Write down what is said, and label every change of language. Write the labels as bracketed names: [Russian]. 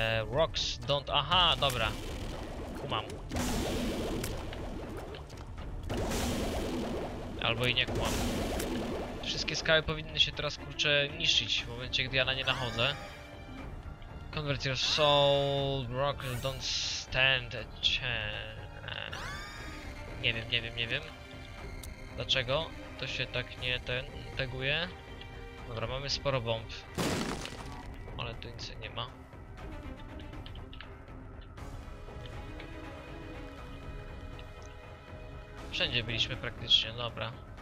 [English] Rocks don't... [Polish] Aha, dobra. Kumam. Albo i nie kumam. Wszystkie skały powinny się teraz, kurczę, niszczyć w momencie, gdy ja na nie nachodzę. [English] Convert your soul, rock, don't stand a chance. [Polish] Nie wiem. Dlaczego to się tak nie taguje? Dobra, mamy sporo bomb. Ale tu nic nie ma. Wszędzie byliśmy praktycznie, dobra.